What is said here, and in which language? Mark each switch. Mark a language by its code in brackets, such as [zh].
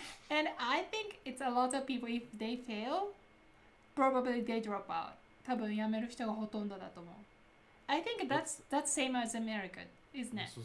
[en] And I think it's a lot of people, if they fail, probably they drop out. [ja] 多分やめる人がほとんどだと思う。 [en] I think that's same as America, isn't it?